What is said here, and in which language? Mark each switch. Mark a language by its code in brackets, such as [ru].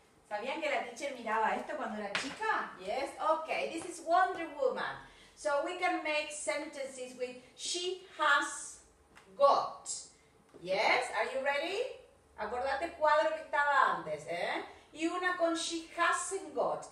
[es] ¿Sabían que la teacher miraba esto cuando era chica? [en] Yes, okay, this is Wonder Woman. So we can make sentences with she has got. Yes, are you ready? [es] Acordate cuadro que estaba antes, ¿eh? Y una con [en] she hasn't got.